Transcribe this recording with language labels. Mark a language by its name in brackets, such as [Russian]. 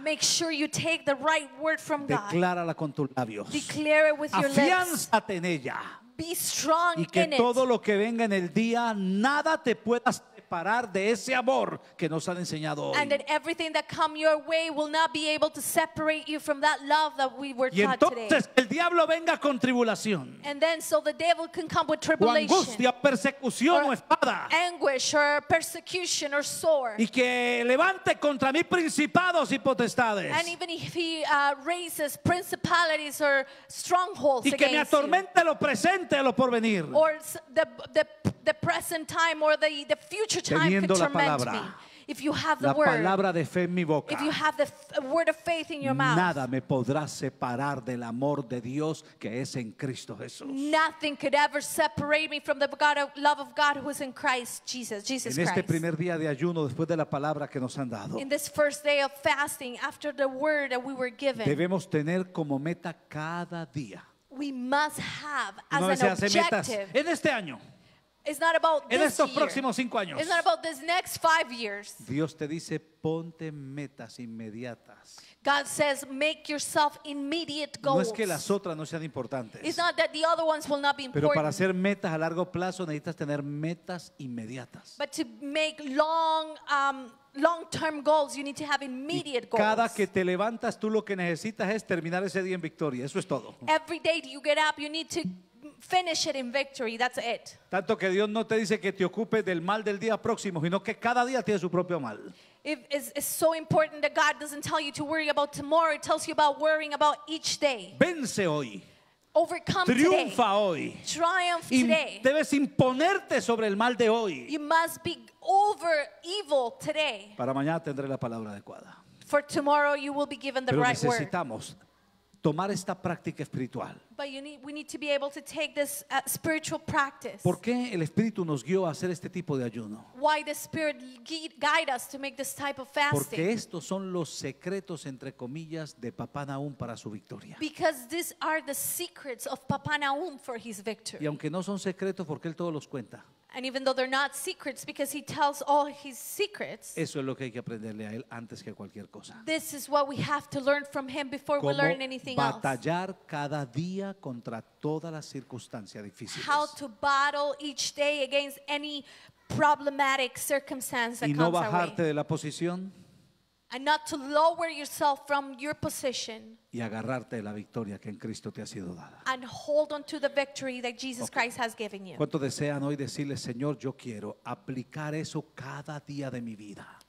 [English] Make sure you take the right word from God. [Spanish] Declárala con tus labios. [English] Declare it with your lips. [Spanish] Afiánzate en ella. [English] Be strong in it. [Spanish] Y que todo lo que venga en el día, nada te pueda separar de ese amor que nos han enseñado hoy. [English] And that everything that come your way will not be able to separate you from that love that we were [Spanish] y [English] taught [Spanish] entonces, [English] today. [Spanish] Y entonces el diablo venga con tribulación. [English] And then so the devil can come with tribulation. [Spanish] O angustia, persecución o espada. [English] Anguish or persecution or sword. [Spanish] Y que levante contra mí principados y potestades. [English] And even if he raises principalities or strongholds against you. [Spanish] Y que me atormente [English] you. [Spanish] Lo presente o lo porvenir. [English] Or the present time or the future time [Spanish] teniendo [English] could torment [Spanish] la palabra. [English] Me if you have the word, [Spanish] la palabra de fe en mi boca, [English] if you have the word of faith in your mouth, [Spanish] nada me podrá separar del amor de Dios que es en Cristo Jesús. [English] Nothing could ever separate me from the love of God who is in Christ Jesus. Jesus Christ. [Spanish] En este primer día de ayuno, después de la palabra que nos han dado, [English] in this first day of fasting, after the word that we were given, [Spanish] debemos tener como meta cada día. [English] We must have as an objective. [Spanish] En este año. [English] It's not about this [Spanish] en estos [English] year. [Spanish] Próximos cinco años. [English] It's not about this next 5 years. [Spanish] Dios te dice, ponte metas inmediatas. [English] God says, make yourself immediate goals. [Spanish] No es que las otras no sean importantes. [English] It's not that the other ones will not be important. [Spanish] Pero para hacer metas a largo plazo necesitas tener metas inmediatas. [English] But to make long-term goals, you need to have immediate goals. [Spanish] Cada que te levantas, tú lo que necesitas es terminar ese día en victoria. Eso es todo. [English] Every day you get up, you need to finish it in victory. That's it. [Spanish] Tanto que Dios no te dice que te ocupes del mal del día próximo, sino que cada día tiene su propio mal. [English] It's so important that God doesn't tell you to worry about tomorrow. It tells you about worrying about each day. [Spanish] Vence hoy. [English] Overcome [Spanish] triunfa [English] today. [Spanish] Hoy. [English] Triumph today. [Spanish] Debes imponerte sobre el mal de hoy. [English] You must be over evil today. [Spanish] Para mañana tendré la palabra adecuada. [English] For tomorrow you will be given the [Spanish] pero [English] right word. [Spanish] Pero necesitamos tomar esta práctica espiritual. [English] But we need to be able to take this spiritual practice. [Spanish] ¿Por qué el Espíritu nos guió a hacer este tipo de ayuno? [English] Why the Spirit guide us to make this type of fasting? [Spanish] Porque estos son los secretos entre comillas de Papá Nahum para su victoria. [English] Because these are the secrets of Papá Nahum for his victory. [Spanish] Y aunque no son secretos porque él todos los cuenta. [English] And even though they're not secrets because he tells all his secrets. [Spanish] Eso es lo que hay que aprenderle a él antes que cualquier cosa. [English] This is what we have to learn from him before [Spanish] cómo [English] we learn anything [Spanish] batallar [English] else. [Spanish] Batallar cada día contra todas las circunstancias difíciles. [English] How to battle each day against any problematic circumstance that [Spanish] y [English] comes [Spanish] no [English] our way. [Spanish] Y no bajarte de la posición. [English] And not to lower yourself from your position. [Spanish] Y agarrarte de la victoria que en Cristo te ha sido dada. [English] And hold on to the victory that Jesus Christ has given you. [Spanish] ¿Cuánto desean hoy decirle, Señor, yo quiero aplicar eso cada día de mi vida?